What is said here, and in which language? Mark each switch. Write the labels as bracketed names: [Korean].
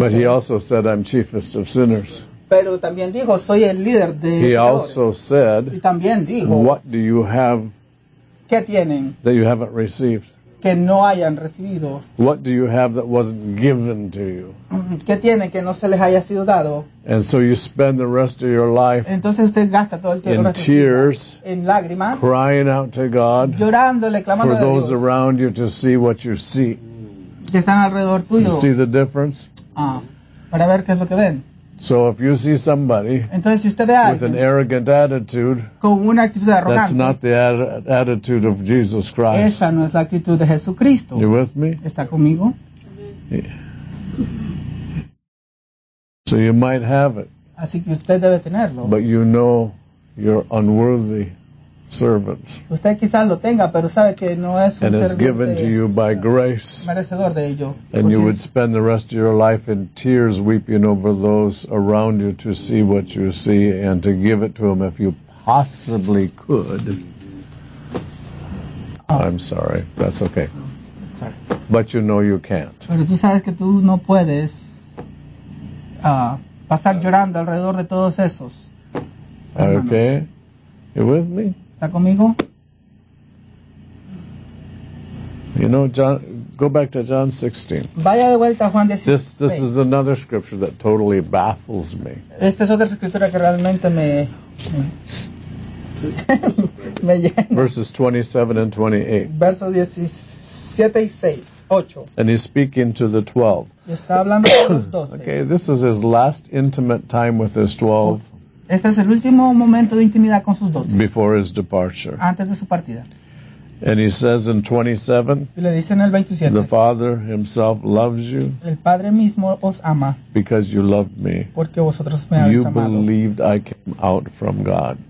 [English] but he also said, I'm chiefest of sinners. [Spanish] Pero también dijo, soy el líder de he peores. [English] Also said, [Spanish] y también dijo, [English] what do you have [Spanish] que tienen [English] that you haven't received? [Spanish] Que no hayan recibido. [English] What do you have that wasn't given to you? [Spanish] Que tienen que no se les haya sido dado. [English] And so you spend the rest of your life [Spanish] entonces usted gasta todo el tiempo [English] in tears, [Spanish] en lágrimas, [English] crying out to God [Spanish] llorándole, [English] for those around you to see what you see. [Spanish] Que están alrededor tuyo. [English] You see the difference? [Spanish] Para ver qué es lo que ven. [English] So if you see somebody [Spanish] entonces, si usted ve [English] with an arrogant attitude, [Spanish] con una actitud arrogante, [English] that's not the attitude of Jesus Christ. [Spanish] Esa no es la actitud de Jesucristo. [English] You with me? [Spanish] ¿Está conmigo? [English] Yeah. So you might have it. [Spanish] Así que usted debe tenerlo. [English] But you know you're unworthy servants. [Spanish] Usted quizás lo tenga, pero sabe que no es un [English] and it's given to you by grace. [Spanish] Merecedor de ello. [English] And you would spend the rest of your life in tears weeping over those around you to see what you see and to give it to them if you possibly could. Oh. I'm sorry. That's okay. Sorry. But you know you can't. [Spanish] Pero tú sabes que tú no puedes pasar llorando alrededor de todos esos. Hermanos. [English] Okay. You with me? [Spanish] ¿Está conmigo? [English] You know, John, go back to John 16. [Spanish] Vaya de vuelta a Juan 16. [English] This is another scripture that totally baffles me. [Spanish] Esta es otra escritura que realmente me llena. [English] Verses 27 and 28. [Spanish] Versos 17 y 6. [English] And he's speaking to the 12. [Spanish] Está hablando con los 12. [English] Okay, this is his last intimate time with his 12. [Spanish] Este es el último momento de intimidad con sus doce. [English] Before his departure. [Spanish] Antes de su partida. [English] And he says in 27. [Spanish] Y le dice en el 27. [English] The Father himself loves you. [Spanish] El Padre mismo os ama. Because you loved me. Porque vosotros me habéis amado. [English] believed I came out from God.